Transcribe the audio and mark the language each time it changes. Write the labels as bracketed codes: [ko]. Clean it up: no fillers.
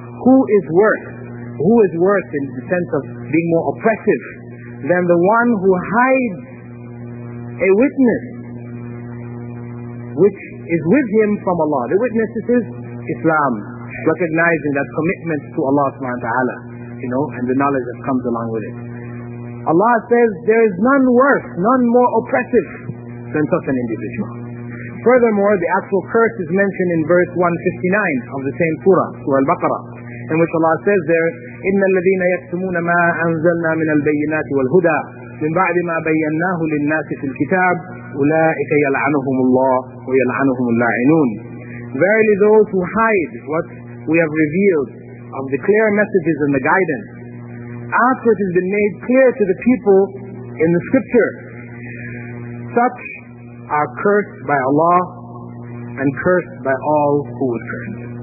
[en] Who is worse in the sense of being more oppressive than the one who hides a witness which is with him from Allah? The witness is Islam, recognizing that commitment to Allah subhanahu wa ta'ala, you know, and the knowledge that comes along with it. Allah says there is none worse, none more oppressive than such an individual. Furthermore, the actual curse is mentioned in verse 159 of the same surah, Surah Al-Baqarah, in which Allah says there, [ar] إِنَّ الَّذِينَ يَكْتُمُونَ مَا أَنزَلْنَا مِنَ الْبَيِّنَاتِ وَالْهُدَىٰ مِنْ بَعْدِ مَا بَيَّنَّاهُ لِلنَّاسِ فِي الْكِتَابِ أُولَٰئِكَ يَلْعَنُهُمُ اللَّهُ وَيَلْعَنُهُمُ اللَّاعِنُونَ. [en] Verily those who hide what we have revealed of the clear messages and the guidance, after it has been made clear to the people in the scripture, such are cursed by Allah and cursed by all who would curse.